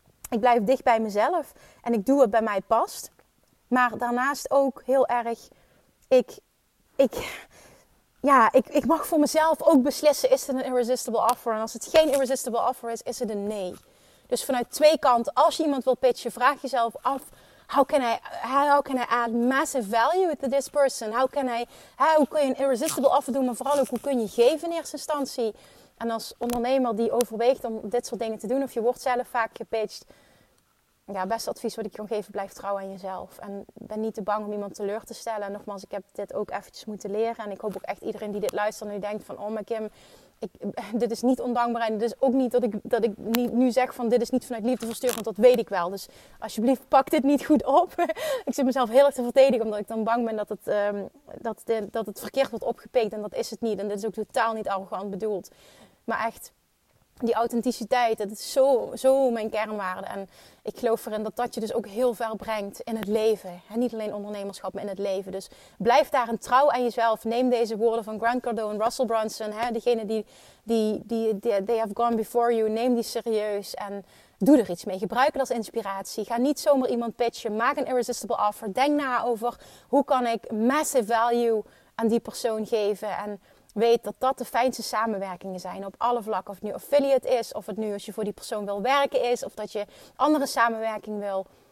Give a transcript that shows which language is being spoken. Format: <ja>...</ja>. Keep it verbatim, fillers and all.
<nl>Ik blijf dicht bij mezelf. En ik doe wat bij mij past. Maar daarnaast ook heel erg... Ik, ik, ja, ik, ik mag voor mezelf ook beslissen, is het een irresistible offer? En als het geen irresistible offer is, is het een nee. Dus vanuit twee kanten, als je iemand wil pitchen, vraag jezelf af...</nl> <en>How can I, how can I add massive value to this person? How can I,</en> <nl>hoe kun je een irresistible offer doen, maar vooral ook hoe kun je geven in eerste instantie? En als ondernemer die overweegt om dit soort dingen te doen, of je wordt zelf vaak gepitcht... Ja, beste advies wat ik je kan geven, blijf trouw aan jezelf. En ben niet te bang om iemand teleur te stellen. En nogmaals, ik heb dit ook eventjes moeten leren. En ik hoop ook echt iedereen die dit luistert en die denkt van... Oh, maar Kim, ik, dit is niet ondankbaar. En dit is ook niet dat ik, dat ik nu zeg van dit is niet vanuit liefde verstuurd. Want dat weet ik wel. Dus alsjeblieft, pak dit niet goed op. Ik zit mezelf heel erg te verdedigen. Omdat ik dan bang ben dat het, um, dat, de, dat het verkeerd wordt opgepikt. En dat is het niet. En dit is ook totaal niet arrogant bedoeld. Maar echt... Die authenticiteit, dat is zo, zo mijn kernwaarde. En ik geloof erin dat dat je dus ook heel ver brengt in het leven. En niet alleen ondernemerschap, maar in het leven. Dus blijf daarin trouw aan jezelf. Neem deze woorden van Grant Cardone, Russell Brunson. Hè, degene die, die, die, die</nl> <en>they have gone before you.</en> <nl>Neem die serieus en doe er iets mee. Gebruik het als inspiratie. Ga niet zomaar iemand pitchen. Maak een irresistible offer. Denk na over hoe kan ik massive value aan die persoon geven. En... Weet dat dat de fijnste samenwerkingen zijn op alle vlakken. Of het nu affiliate is, of het nu als je voor die persoon wil werken is... of dat je andere samenwerking wil.</nl>